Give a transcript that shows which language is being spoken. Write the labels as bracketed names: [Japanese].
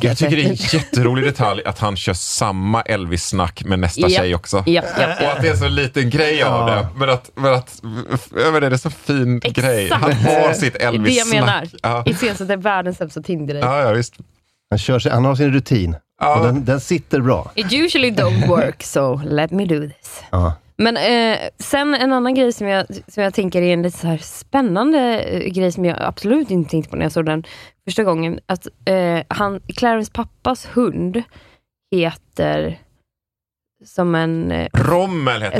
[Swedish] Jag tycker det är en jätterolig detalj att han kör samma Elvis-snack med nästa tjej också. Ja. Och att det är så liten grej. Men det är så fin grej. Han har sitt Elvis-snack. I scenen så är världens sämsta Tinder. Ja, visst. Han har sin rutin. Ja. Och den sitter bra. [English] It usually don't work, so let me do this. [Swedish] Ja. Men sen en annan grej som jag tänker är en lite så här spännande grej som jag absolut inte tänkt på när jag såg den första gången. Att Clarence pappas hund heter... som en... Rommel heter